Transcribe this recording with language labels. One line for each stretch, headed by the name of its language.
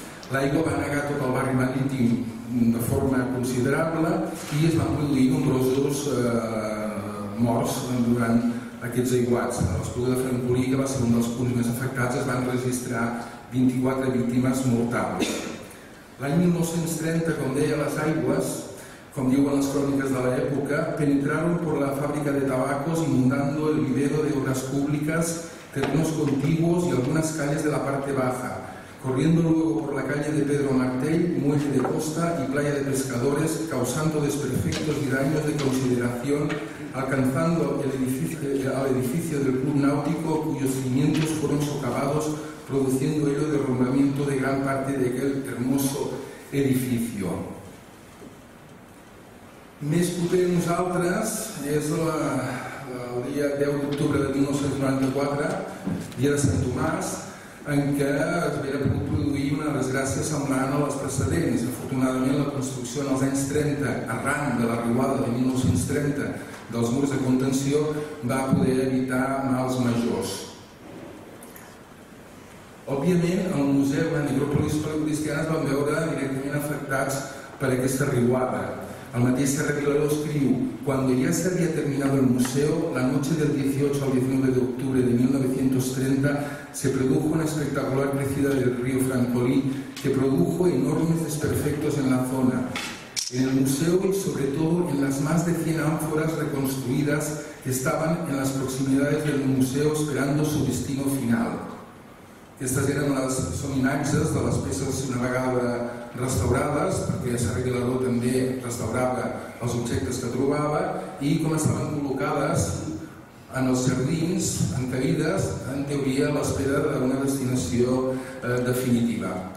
Catalan: L'aigua va anegar tot el barri marítim de forma considerable i es van produir nombrosos morts durant aquests aiguats. A l'Espluga de Francolí, que va ser un dels punts més afectats, es van registrar 24 víctimes mortals. L'any 1930, com deia, les aigües, com diuen les cròniques de l'època,
Spanish: penetraron por la fàbrica de tabacos inundando el vivero de obras públicas, terrenos contiguos y algunas calles de la parte baja, corriendo luego por la calle de Pedro Martell, muelle de costa y playa de pescadores, causando desperfectos y daños de consideración, alcanzando al edificio del Club Náutico, cuyos cimientos fueron socavados, produciendo ello derrumbamiento de gran parte de aquel hermoso edificio.
Catalan: Més proper a nosaltres és el dia 10 d'octubre de 1994, dia de Sant Tomàs, en què s'havia pogut produir una desgràcia semblant a les precedents. Afortunadament, la construcció en els anys 30, arran de l'arribada de 1930 dels murs de contenció, va poder evitar mals majors. Òbviament, el Museu de Necròpolis Paleocristiana es van veure directament afectats per aquesta riuada. El mateix Serra Vilaró escriu: quan ja s'havia terminat el museu,
Spanish: la noche del 18 al 19 d'octubre de 1930 se produjo una espectacular crecida del río Francolí que produjo enormes desperfectos en la zona, en el museo y sobre todo en las más de 100 ánforas reconstruidas que estaban en las proximidades del museo esperando su destino final.
Catalan: Aquestes eren les, són imatges de les peces una vegada restaurades, perquè Serra Vilaró també restaurava els objectes que trobava, i com estaven col·locades en els jardins, encabides, en teoria a l'espera d'una destinació definitiva.